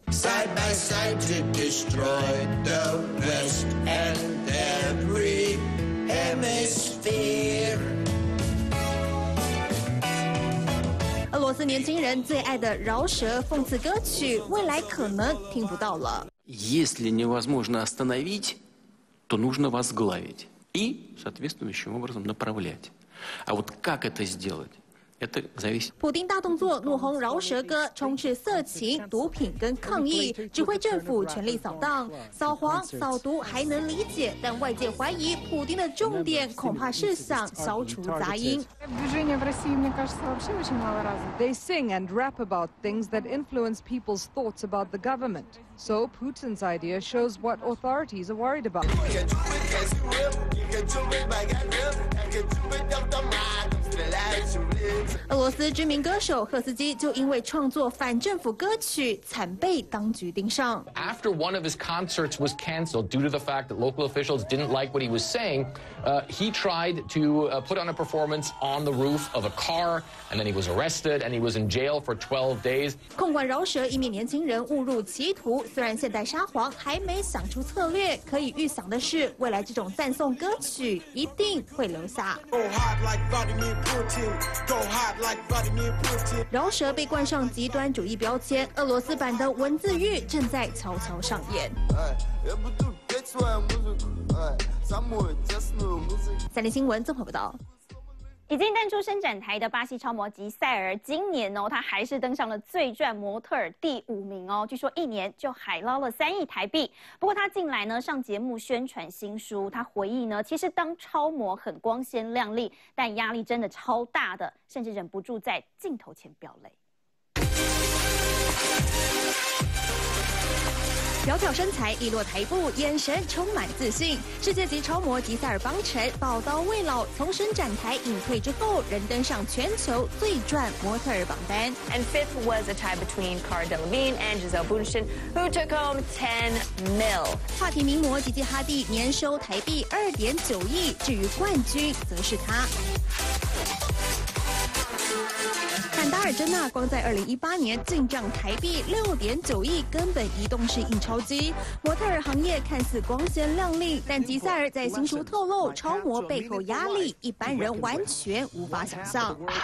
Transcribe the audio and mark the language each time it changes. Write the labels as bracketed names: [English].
[English] Side by side to destroy the West and every hemisphere. [Chinese] 俄罗斯年轻人最爱的饶舌讽刺歌曲，未来可能听不到了。 [Russian] Если невозможно остановить, то нужно возглавить и соответствующим образом направлять. А вот как это сделать, это зависит. [Chinese] 普丁大动作，怒轰饶舌歌，充斥色情、毒品跟抗议，指挥政府全力扫荡、扫黄、扫毒还能理解，但外界怀疑普丁的重点恐怕是想消除杂音。 [English] They sing and rap about things that influence people's thoughts about the government. So Putin's idea shows what authorities are worried about. [Chinese] 俄罗斯知名歌手赫斯基就因为创作反政府歌曲，惨被当局盯上。 [English] After one of his concerts was canceled due to the fact that local officials didn't like what he was saying, he tried to put on a performance on the roof of a car, and then he was arrested and he was in jail for 12 days. [Chinese] 控管饶舌一名年轻人误入歧途，虽然现代沙皇还没想出策略，可以预想的是，未来这种赞颂歌曲一定会留下。饶舌被冠上极端主义标签，俄罗斯版的文字狱正在悄悄上演。三立新闻综合报道。已经淡出伸展台的巴西超模吉塞尔，今年哦，他还是登上了最赚模特儿第5名哦，据说一年就海捞了3亿台币。不过他近来呢上节目宣传新书，他回忆呢，其实当超模很光鲜亮丽，但压力真的超大的，甚至忍不住在镜头前飙泪。窈窕身材，一落台步，眼神充满自信。世界级超模吉塞尔·邦辰宝刀未老，从伸展台隐退之后，仍登上全球最赚模特儿榜单。 [English] And fifth was a tie between Cara Delevingne and Gisele Bündchen, who took home $10 million. [Chinese] 话题名模吉吉哈蒂年收台币2.9亿，至于冠军则是他。坦达尔真纳光在2018年进账台币6.9亿，根本移动式印钞机。模特儿行业看似光鲜亮丽，但吉塞尔在新书透露，超模背后压力一般人完全无法想象。